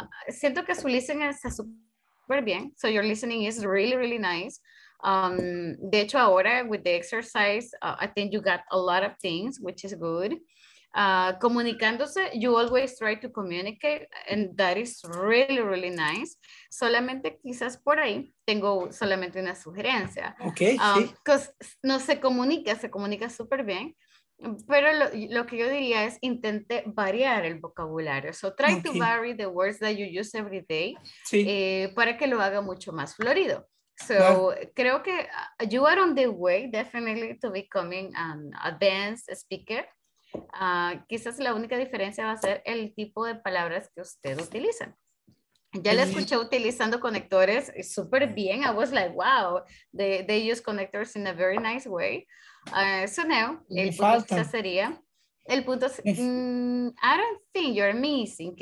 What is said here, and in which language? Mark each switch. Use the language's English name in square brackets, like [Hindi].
[Spanish] Siento que su listening está super bien. [English] So your listening is really, really nice. [Spanish] De hecho, ahora [English] with the exercise, I think you got a lot of things, which is good. Comunicándose, you always try to communicate, and that is really, really nice. [Spanish] Solamente quizás por ahí tengo solamente una sugerencia. [English] Okay, [Spanish] sí. No se comunica súper bien, pero lo que yo diría es intente variar el vocabulario. [English] So try to vary the words that you use every day, [Spanish] sí. Para que lo haga mucho más florido. [English] So [Spanish] creo que [English] you are on the way definitely to becoming an advanced speaker. [Spanish] Quizás la única diferencia va a ser el tipo de palabras que usted utiliza. Ya la escuché utilizando conectores súper bien. [English] I was like, wow, they use connectors in a very nice way. So now, I don't think you're missing.